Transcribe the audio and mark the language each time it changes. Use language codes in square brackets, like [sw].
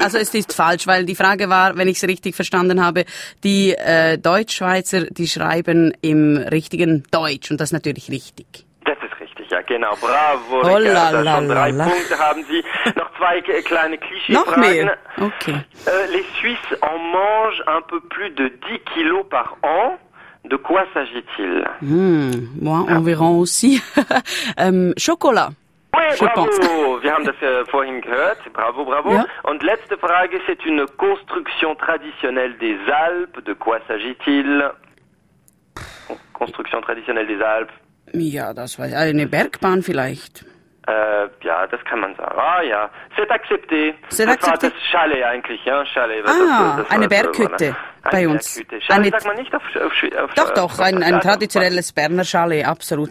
[de] Also es ist falsch, weil die Frage war, wenn ich es richtig verstanden habe, die Deutschschweizer, die schreiben im richtigen Deutsch und das ist natürlich richtig. Das ist richtig. ja, genau. Bravo, Ricarda. Oh la la schon drei la la. Punkte haben Sie. Noch zwei kleine Klischee-Fragen. Noch mehr? Okay. [fr] Les Suisses en mangent un peu plus de 10 kilos par an. De quoi s'agit-il? Moi, environ aussi. chocolat. Oui, bravo. [de] Wir haben das vorhin gehört. Bravo, bravo. Ja. Und letzte Frage, [fr] c'est une construction traditionnelle des Alpes. De quoi s'agit-il? Construction traditionnelle des Alpes. [de] Ja, das war eine Bergbahn vielleicht. Ja, das kann man sagen. Ah ja, [fr] c'est accepté. C'est accepté. [de] Das war das Chalet eigentlich, ja, Chalet. Ah, eine Berghütte bei uns. Eine Berghütte. Chalet sagt man nicht auf Doch, doch, ein traditionelles Berner Chalet, absolut.